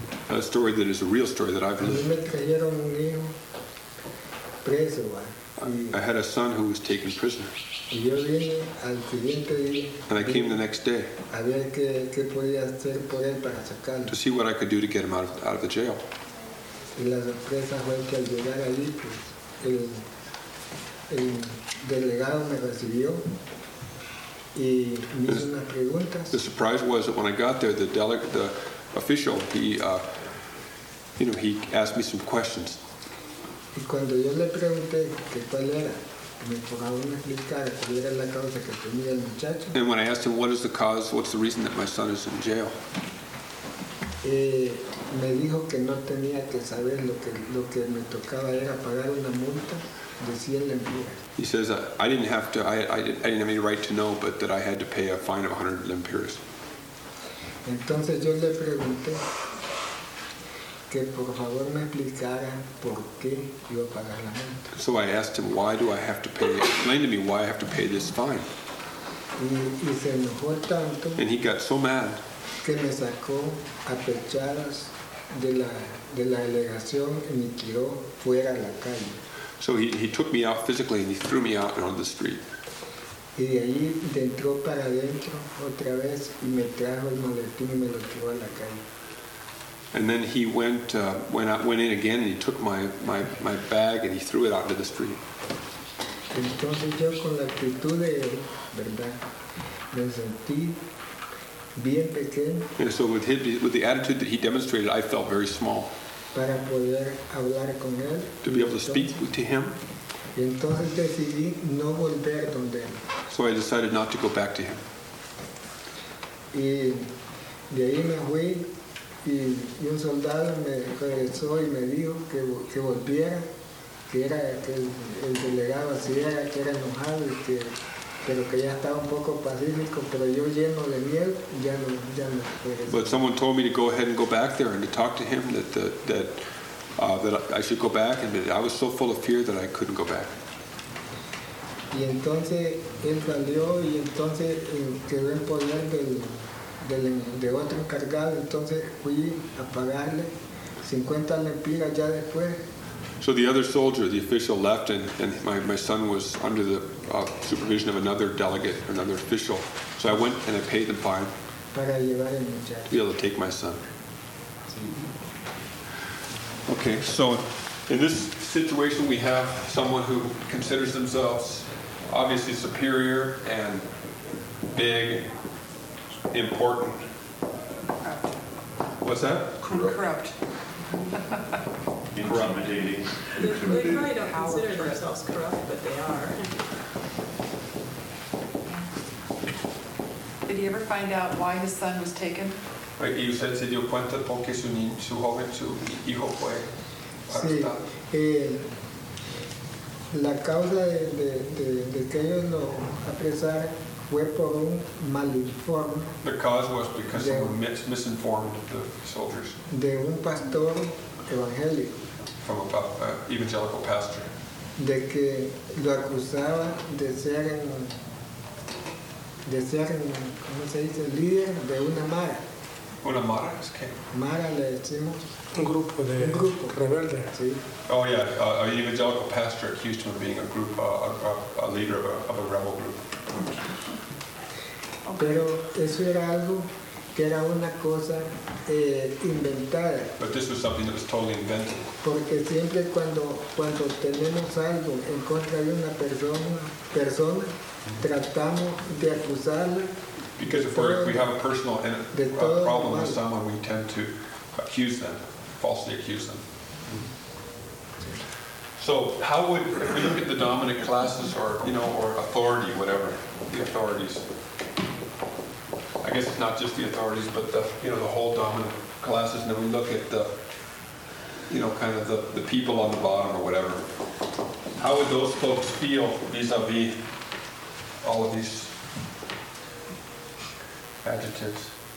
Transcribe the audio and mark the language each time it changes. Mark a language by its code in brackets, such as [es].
[en] A story that is a real story that I've lived. [es] Me trajeron un hijo preso. [en] I had a son who was taken prisoner. [es] Yo vine al siguiente día. [en] And I came the next day. [es] A ver qué podía hacer por él para sacarlo. [en] To see what I could do to get him out of the jail. [es] Y la sorpresa fue que al llegar allí, pues, el delegado me recibió y me hizo unas preguntas. [en] The surprise was that when I got there, the official, he asked me some questions. [es] Y cuando yo le pregunté que cuál era, me pongaron a explicar cuál era la causa que tenía el muchacho. [en] And when I asked him, what is the cause, what's the reason that my son is in jail? [es] Me dijo que no tenía que saber, lo que me tocaba era pagar una multa de 100 lempiras. [en] He says, I didn't have any right to know, but that I had to pay a fine of 100 lempiras. [es] Entonces yo le pregunté que por favor me explicara por qué iba a pagar la multa. [en] So I asked him, why do I have to pay? Explain to me why I have to pay this fine. [es] Y se enojó tanto. [en] And he got so mad. [es] Que me sacó a pechadas de la delegación y me tiró fuera a la calle. [en] So he took me out physically and he threw me out on the street. [es] Y de ahí entró para adentro otra vez y me trajo el maletín y me lo tiró a la calle. [en] And then he went in again, and he took my bag and he threw it out into the street. [es] Entonces yo con la actitud de él, verdad, me sentí bien pequeño. [en] And so with the attitude that he demonstrated, I felt very small. [es] Para poder hablar con él. [en] To be able to speak to him. [es] Entonces decidí no volver donde él. [en] So I decided not to go back to him. [es] Y de ahí me fui. Y un soldado me regresó y me dijo que volviera, que era el delegado así era, que era enojado, y que, pero que ya estaba un poco pacífico, pero yo lleno de miedo, ya no regresé. [en] But someone told me to go ahead and go back there and to talk to him that I should go back, and that I was so full of fear that I couldn't go back. [es] Y entonces él salió y entonces quedó en poder de otro encargado, entonces fui a pagarle 50 lempiras ya después. [en] So the other soldier, the official, left, and my son was under the supervision of another delegate, another official. So I went and I paid the fine. [es] Para llevar el muchacho. [en] To be able to take my son. Okay, so in this situation we have someone who considers themselves obviously superior and big. Important. Corrupt. What's that? Corrupt. Intimidating. They probably don't consider themselves corrupt, but they are. Did he ever find out why his son was taken? [es] Y usted se dio cuenta porque su niño, su joven, su hijo fue arrestado. Sí. La causa de que ellos lo apresaran fue por un malinforme. The cause was because they were misinformed of the soldiers. De un pastor evangélico. From a evangelical pastor. De que lo acusaba de ser en, de ser, ¿cómo se dice? Líder de una mara. Una mara es qué? Mara le decimos. Un grupo de un grupo rebelde. Sí. [en] Oh yeah, an evangelical pastor accused him of being a group, a leader of a rebel group. [es] Pero eso era algo que era una cosa inventada. [en] But this was something that was totally invented. [es] Porque siempre cuando tenemos algo en contra de una persona tratamos de acusarla. [en] Because if we have a personal problem with someone, we tend to accuse them, falsely accuse them. So how would, if we look at the dominant classes or authority, whatever, the authorities, I guess it's not just the authorities, but the whole dominant classes, and then we look at the people on the bottom or whatever, how would those folks feel vis-a-vis all of these adjectives?